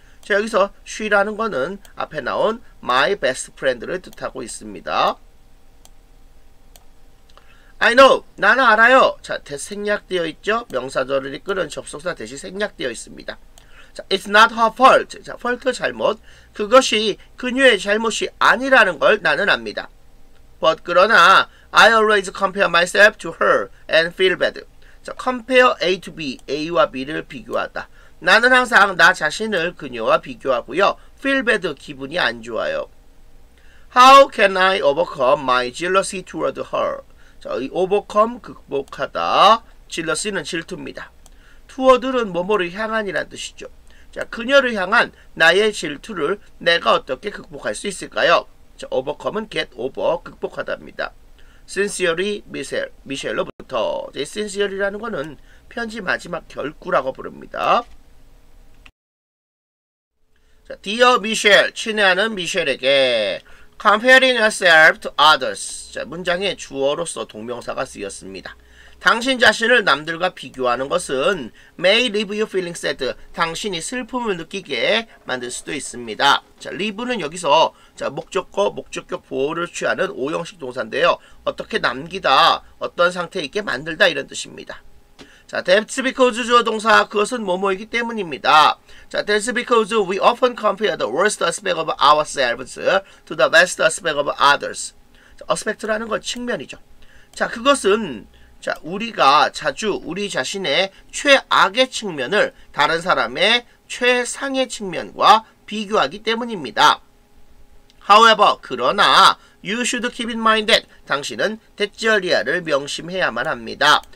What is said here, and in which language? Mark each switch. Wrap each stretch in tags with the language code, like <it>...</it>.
<ko>자, 여기서 she라는 거는 앞에 나온 my best friend를 뜻하고 있습니다.</ko> <en>I know,</en> <ko>나는 알아요. 자, 생략되어 있죠. 명사절을 이끄는 접속사 대신 생략되어 있습니다.</ko> <en>자, it's not her fault. 자, fault 잘못.</en> <ko>그것이 그녀의 잘못이 아니라는 걸 나는 압니다.</ko> <en>But</en> <ko>그러나</ko> <en>I always compare myself to her and feel bad.</en> <ko>자,</ko> <en>compare A to B.</en> <ko>A와 B를 비교하다. 나는 항상 나 자신을 그녀와 비교하고요.</ko> <en>feel bad.</en> <ko>기분이 안 좋아요.</ko> <en>How can I overcome my jealousy toward her?</en> <ko>자, 이 overcome, 극복하다. jealousy는 질투입니다. toward는 뭐뭐를 향한이란 뜻이죠. 자, 그녀를 향한 나의 질투를 내가 어떻게 극복할 수 있을까요? 자, overcome은</ko> <en>get over,</en> <ko>극복하다입니다. sincerely, Michelle, Michelle로부터. 자, sincerely라는 거는 편지 마지막 결구라고 부릅니다.</ko> <en>자, dear Michelle,</en> <ko>친애하는 Michelle에게</ko> <en>Comparing yourself to others.</en> <ko>자, 문장의 주어로서 동명사가 쓰였습니다. 당신 자신을 남들과 비교하는 것은</ko> <en>may leave you feeling sad.</en> <ko>당신이 슬픔을 느끼게 만들 수도 있습니다. 자, leave는 여기서 자, 목적어, 목적격 보호를 취하는 오형식 동사인데요. 어떻게 남기다, 어떤 상태에 있게 만들다 이런 뜻입니다. 자,</ko> <en>that's because</en> <ko>주어 동사, 그것은 뭐뭐이기 때문입니다.</ko> <en>자, that's because we often compare the worst aspect of ourselves to the best aspect of others.</en> <ko>자, aspect라는 건 측면이죠. 자, 그것은 자, 우리가 자주 우리 자신의 최악의 측면을 다른 사람의 최상의 측면과 비교하기 때문입니다.</ko> <en>However,</en> <ko>그러나</ko> <en>you should keep in mind that</en> <ko>당신은 대절리아를 명심해야만 합니다.</ko>